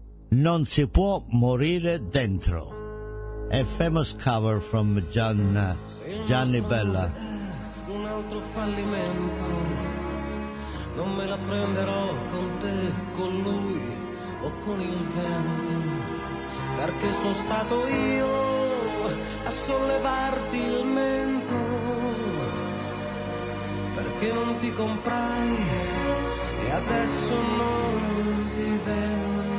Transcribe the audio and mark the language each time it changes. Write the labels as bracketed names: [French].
[Italian] Non si può morire dentro. [English] A famous cover from Gianni Bella. [Italian] Un altro fallimento. Non me la prenderò con te, con lui o con il vento, perché sono stato io a sollevarti il mento, perché non ti comprai e adesso non ti vendo.